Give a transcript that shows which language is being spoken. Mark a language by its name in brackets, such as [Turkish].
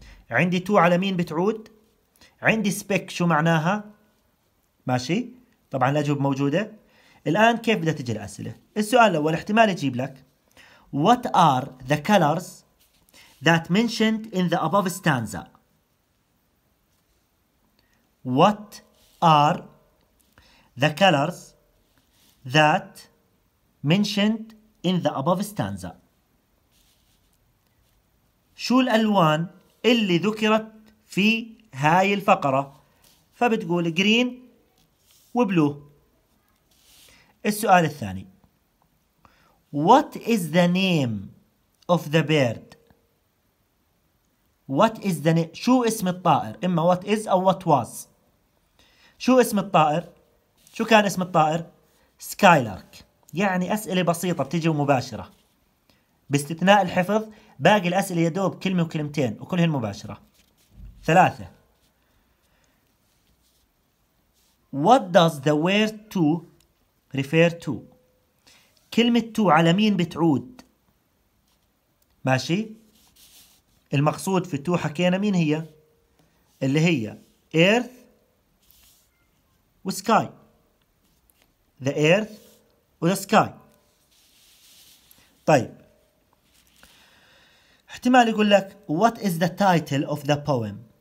[Arabic] عندي تو على مين بتعود. عندي سبيك شو معناها. ماشي؟ طبعا الأجوبة موجودة. الآن كيف بدها تجي الأسئلة؟ السؤال الأول احتمال يجيب لك [English] What are the colors that mentioned in the above stanza? [Arabic] What are the colors that mentioned in the above stanza? شو الألوان اللي ذكرت في هاي الفقرة؟ فبتقول green وblue. السؤال الثاني [English] What is the name of the bird? What is the name? [Arabic] شو اسم الطائر؟ إما [English] what is [Arabic] أو [English] what was. [Arabic] شو اسم الطائر؟ شو كان اسم الطائر؟ Skylark. يعني أسئلة بسيطة بتجي مباشرة باستثناء الحفظ. باقي الأسئلة يدوب كلمة وكلمتين وكلهن مباشرة. ثلاثة [English] What does the word to refer to? [Arabic] كلمة to على مين بتعود؟ ماشي؟ المقصود في to حكينا مين هي؟ اللي هي earth و sky. [English] The earth و the sky. [Arabic] طيب احتمال يقول لك [English] What is the title of the poem?